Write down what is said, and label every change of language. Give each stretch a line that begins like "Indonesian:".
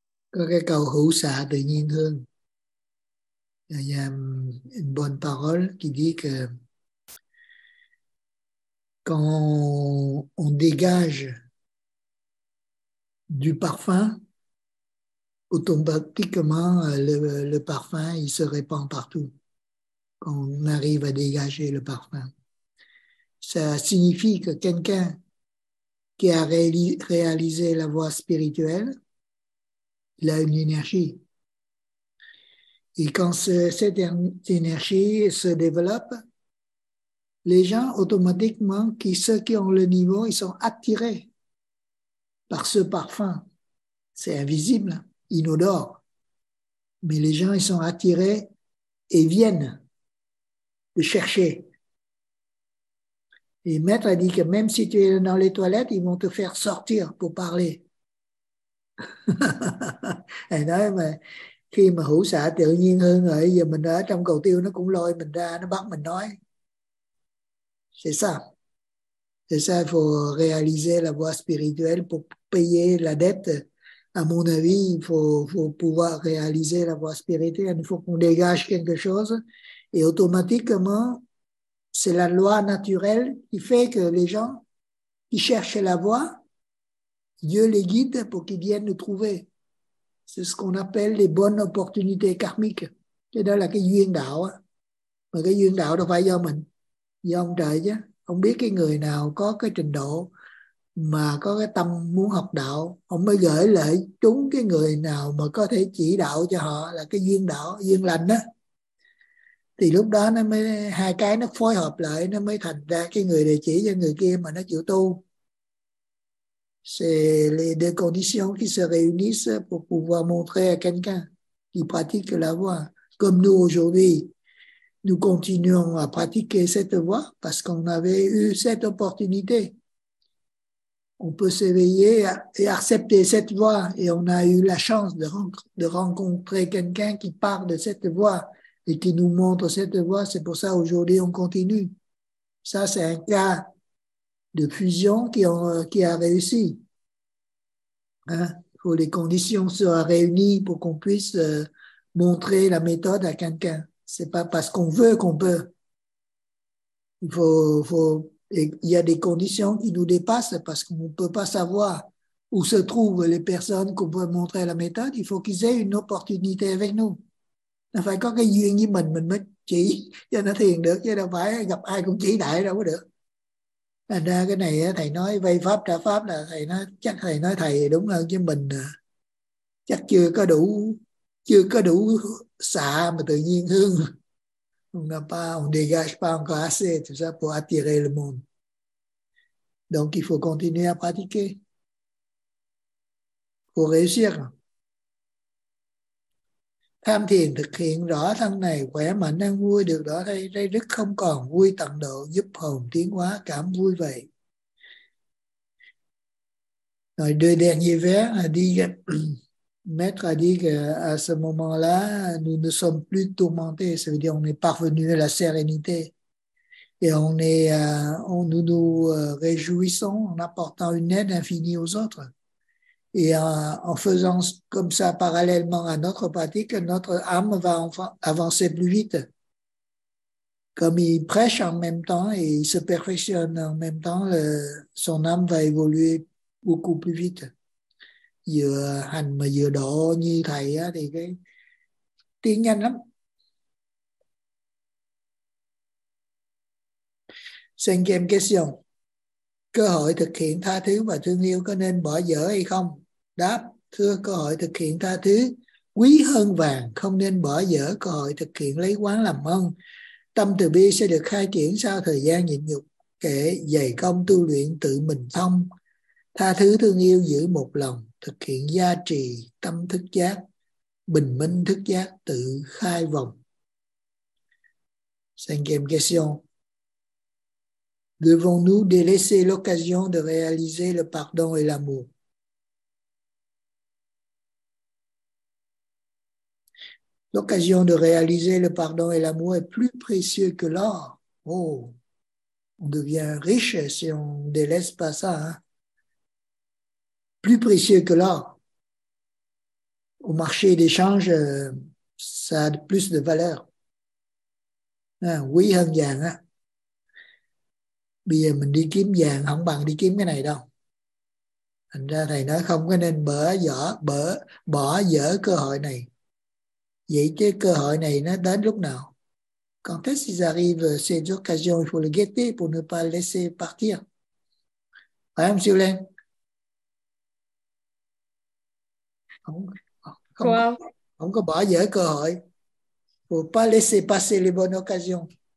Vietnamese: Có cái câu hữu xạ tự nhiên hơn.
French: Une bonne parole qui dit que quand on dégage du parfum, automatiquement le parfum il se répand partout. Quand on arrive à dégager le parfum, ça signifie que quelqu'un qui a réalisé la voie spirituelle, il a une énergie. Et quand cette énergie se développe, les gens, automatiquement, ceux qui ont le niveau, ils sont attirés par ce parfum. C'est invisible, inodore. Mais les gens, ils sont attirés et viennent le chercher. Et maître a dit que même si tu es dans les toilettes, ils vont te faire sortir pour parler. Et là, mais,
Vietnamese: khi mà hữu xã tự nhiên hơn rồi, giờ mình ở trong cầu tiêu, nó cũng lôi mình ra, nó bắt mình nói.
French: C'est ça. C'est ça, il faut réaliser la voie spirituelle pour payer la dette. À mon avis, il faut pouvoir réaliser la voie spirituelle. Il faut qu'on dégage quelque chose et automatiquement, c'est la loi naturelle qui fait que les gens qui cherchent la voie, Dieu les guide pour qu'ils viennent le trouver. C'est ce qu'on appelle les bonnes opportunités karmiques.
Vietnamese: Cái đó là cái duyên đạo. Mà cái duyên đạo đâu phải do mình, do ông trời chứ. Ông biết cái người nào có cái trình độ mà có cái tâm muốn học đạo, ông mới gửi lại chúng cái người nào mà có thể chỉ đạo cho họ, là cái duyên đạo, duyên lành đó. Thì lúc đó nó mới hai cái nó phối hợp lại, nó mới thành ra cái người đề chỉ cho người kia mà nó chịu tu.
French: C'est les deux conditions qui se réunissent pour pouvoir montrer à quelqu'un qui pratique la voie. Comme nous aujourd'hui, nous continuons à pratiquer cette voie parce qu'on avait eu cette opportunité. On peut s'éveiller et accepter cette voie et on a eu la chance de rencontrer quelqu'un qui parle de cette voie et qui nous montre cette voie. C'est pour ça aujourd'hui on continue. Ça, c'est un cas de fusion qui a réussi. Hein? Il faut que les conditions soient réunies pour qu'on puisse montrer la méthode à quelqu'un. C'est pas parce qu'on veut qu'on peut. Il y a des conditions qui nous dépassent parce qu'on ne peut pas savoir où se trouvent les personnes qu'on peut montrer la méthode. Il faut qu'ils aient une opportunité avec nous.
Vietnamese: Enfin, có cái duyên với mình mới chỉ cho nó thiền được, chứ đâu phải gặp ai cũng chỉ đại đâu có được. Thành ra cái này thầy nói vay pháp trả pháp là thầy nói, chắc thầy nói thầy đúng hơn, chứ mình chắc chưa có đủ xạ mà tự nhiên hương.
French: on dégage pas encore assez, tout ça, pour attirer le monde. Donc, il faut continuer à pratiquer. Pour réussir.
Vietnamese: Tham thiền thực hiện rõ thân này, khỏe mạnh đang vui được rõ đây, đây đức không còn vui tận độ, giúp hồn tiến hóa, cảm vui vậy.
French: Rồi deux derniers vers a dit, Maître a dit qu'à ce moment-là, nous ne sommes plus tourmentés, ça veut dire qu'on est parvenu à la sérénité. Et on est, nous nous réjouissons en apportant une aide infinie aux autres. Et en faisant comme ça parallèlement à notre pratique, notre âme va avancer plus vite. Comme il prêche en même temps et il se perfectionne en même temps, son âme va évoluer beaucoup plus vite.
Vietnamese: Vừa hành mà vừa độ như thầy á, thì cái tiến nhanh lắm.
French: Cinquième question.
Vietnamese: Cơ hội thực hiện tha thứ và thương yêu có nên bỏ dở hay không? Đáp, thưa, cơ hội thực hiện tha thứ quý hơn vàng, không nên bỏ dở cơ hội thực hiện lấy quán làm ơn. Tâm từ bi sẽ được khai triển sau thời gian nhịn nhục, kể dày công tu luyện tự mình thông. Tha thứ thương yêu giữ một lòng, thực hiện gia trì tâm thức giác, bình minh thức giác tự khai vọng.
French: Cinquième question. Devons-nous délaisser l'occasion de réaliser le pardon et l'amour? L'occasion de réaliser le pardon et l'amour est plus précieux que l'or. Oh, on devient riche si on ne délaisse pas ça, hein? Plus précieux que l'or. Au marché d'échange, ça a plus de valeur.
Vietnamese: Oui, hơn vàng. Bây giờ mình đi kiếm vàng không bằng đi kiếm cái này đâu. Thành ra thầy nói không có nên bỏ dở cơ hội này. Vậy cái cơ hội này nó đến lúc nào?
French: Quand est-ce qu'ils arrivent, ces occasions, il faut le guetter pour ne pas laisser partir.
Vietnamese: Phải không,
French: Siêu Lên?
Vietnamese: Không có bỏ dở cơ hội.
French: Faut pas laisser passer les bonnes occasions.